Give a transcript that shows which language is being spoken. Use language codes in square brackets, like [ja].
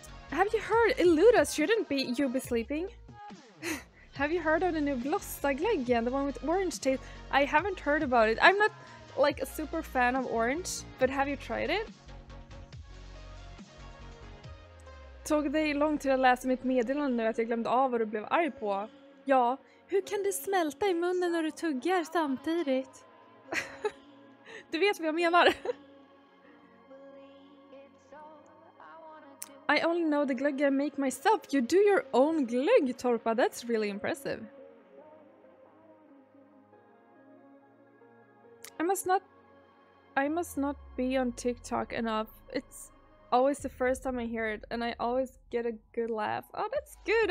[en] Have you heard? Eluda, shouldn't be you be sleeping? Have you heard of the new Blåstaglegen, the one with orange taste? I haven't heard about it. I'm not, like, a super fan of orange, but have you tried it? [sv] Tog det lång tid att läsa mitt meddelande nu att jag glömde av vad du blev arg på? Ja, hur kan det smälta i munnen när du tuggar samtidigt? Du vet vad jag menar. [en] I only know the glögg I make myself. You do your own glögg, Torpa. That's really impressive. I must not be on TikTok enough. It's always the first time I hear it, and I always get a good laugh. Oh, that's good.